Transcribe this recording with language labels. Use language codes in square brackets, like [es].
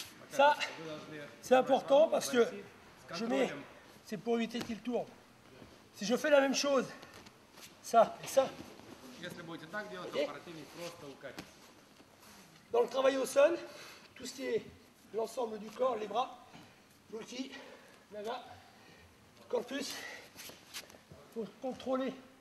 [fr] Ça, c'est important parce que je mets, c'est pour éviter qu'il tourne. Si je fais la même chose, ça et ça, [ru] Если будете так делать, то противник просто укатится. [fr] Dans le travail au sol, tout ce qui est l'ensemble du corps, les bras, l'outil, là, corpus, il faut contrôler.